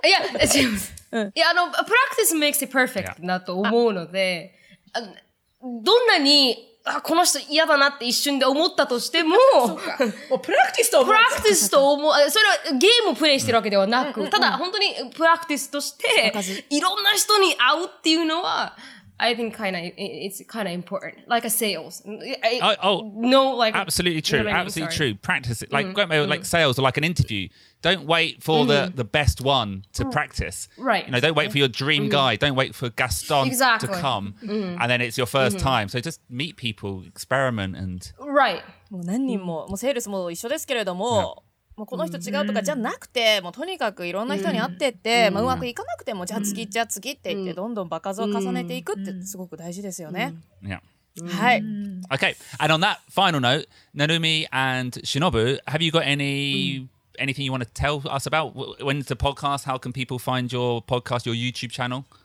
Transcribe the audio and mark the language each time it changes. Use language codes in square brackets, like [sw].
[ja] いや違います。いや、あの、 [en] practice makes it perfect [ja] なと思うので、どんなにあこの人嫌だなって一瞬で思ったとしても、もうプラクティスと思う。プラクティスと思う。それはゲームをプレイしてるわけではなく、ただ本当にプラクティスとして、いろんな人に会うっていうのは、 [en] I think kind of it's kind of important, like a sales. Absolutely true. You know what I mean? Absolutely true. Practice it, like like sales or like an interview. Don't wait for the best one to practice. Right. You know, don't wait for your dream guy. Don't wait for Gaston to come, and then it's your first time. So just meet people, experiment, and right. [ja] もう何人も、もうセールスも一緒ですけれども。 [en] Yeah. [ja] もうこの人違うとかじゃなくて、もうとにかくいろんな人に会ってって、まあ、うまくいかなくても、じゃあ次、じゃあ次って言って、どんどん場数を重ねていくってすごく大事ですよね。 [en] Yeah. [ja] はい。 [en] Okay, and on that final note, Narumi and Shinobu, have you got anything you want to tell us about? When it's a podcast, how can people find your podcast, your YouTube channel?